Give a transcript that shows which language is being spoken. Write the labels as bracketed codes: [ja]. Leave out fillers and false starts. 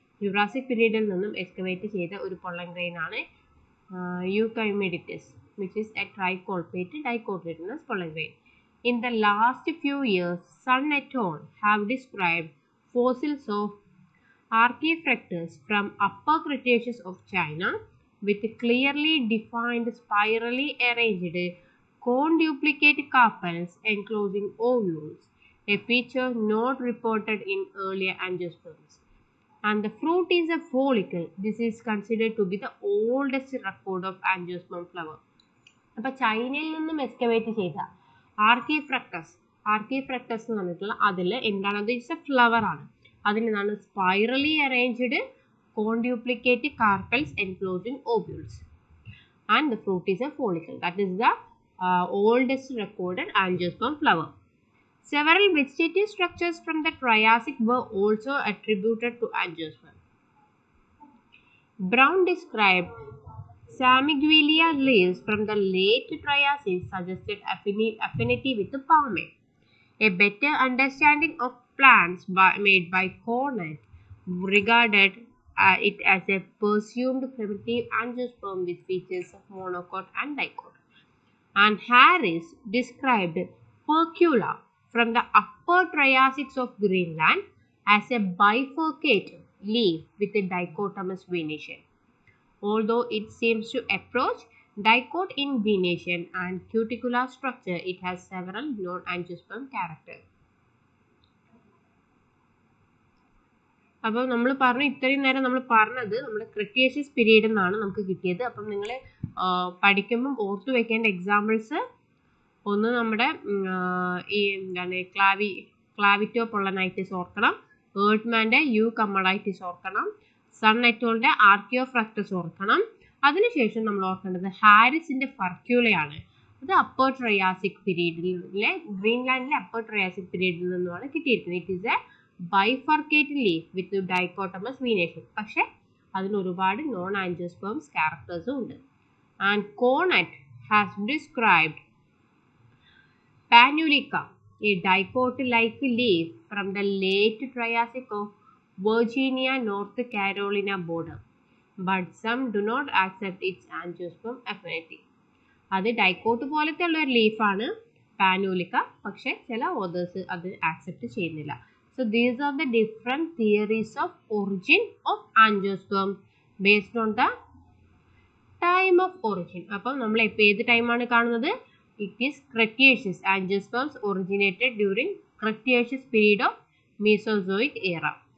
[ml] Jurassic പീരീഡിൽ നിന്നും excavate ചെയ്ത ഒരു പൊള്ളൻ ഗ്രെയിൻ ആണ് യൂക്കമിഡിറ്റസ്, [en] Which is a tricolpate dicotyledonous pollen grain. In the last few years Sun et al have described fossils of Archaefructus from upper Cretaceous of China with clearly defined spirally arranged Co-duplicate carpels enclosing ovules, a feature not reported in earlier angiosperms. And the fruit is a follicle. This is considered to be the oldest record of angiosperm flower. [ml] അപ്പൊ ചൈനയിൽ നിന്നും excavate ചെയ്ത ആർക്കിഫ്രക്ടസ്, ആർക്കിഫ്രക്ടസ് എന്ന് പറഞ്ഞിട്ടുള്ള അതിൽ എന്താണ്, അത് [en] it's a flower [ml] ആണ്. [en] അതിനാണ് spirally arranged conduplicate carpels enclosing ovules and the fruit is a follicle. That is the oldest recorded angiosperm flower. Several vegetative structures from the Triassic were also attributed to angiosperm. Brown describe Samigvilia leaves from the late Triassic suggested affinity with the palmate. A better understanding of plants made by Cornett regarded it as a presumed primitive angiosperm with features of monocot and dicot. And Harris described Percula from the upper Triassic of Greenland as a bifurcate leaf with a dichotomous venation. Although it seems to approach dicot in venation and cuticular structure, it has several non-angiosperm characters. [ml] അപ്പോൾ നമ്മൾ പറഞ്ഞു, ഇത്രയും നേരം നമ്മൾ പറഞ്ഞത് നമ്മൾ Cretaceous period എന്നാണ് നമുക്ക് കിട്ടിയത്. അപ്പം നിങ്ങൾ പഠിക്കുമ്പം ഓർത്തു വെക്കേണ്ട എക്സാമ്പിൾസ്, ഒന്ന് നമ്മുടെ ഈ എന്താണ് ക്ലാവിറ്റോ പൊള്ളനൈറ്റിസ് ഓർക്കണം, ഏർട്ട്മാൻ്റെ യു കമളൈറ്റിസ് ഓർക്കണം, സൺ നെറ്റോളിന്റെ ആർക്കിയോഫ്രക്ടസ് ഓർക്കണം. അതിനുശേഷം നമ്മൾ ഓർക്കേണ്ടത് ഹാരിസിന്റെ ഫർക്യൂലയാണ്. അത് അപ്പർ ട്രയാസിക് പീരീഡിലെ, ഗ്രീൻലാൻഡിലെ അപ്പർ ട്രയാസിക് പീരീഡിൽ നിന്നുമാണ് കിട്ടിയിരിക്കുന്നത്. [en] It is a bifurcate leaf with dichotomous venation. [ml] പക്ഷേ അതിനൊരുപാട് നോൺ ആൻജിയോസ്പേംസ് ക്യാരക്ടേഴ്സും ഉണ്ട്. [en] And Cornet has described Pannaulika, a dicot like leaf from the late Triassic of Virginia north Carolina border, but some do not accept its angiosperm affinity. [ml] അത് dicot പോലത്തെ ഉള്ള ഒരു ലീഫാണ് പാനുലിക്ക, പക്ഷെ ചില authors അത് accept ചെയ്യുന്നില്ല. [en] So these are the different theories of origin of angiosperm based on the time of origin. [ml] Appo nammal ep ed time aanu kaanunnathu, [en] it is Cretaceous. Angiosperms originated during Cretaceous period of Mesozoic era.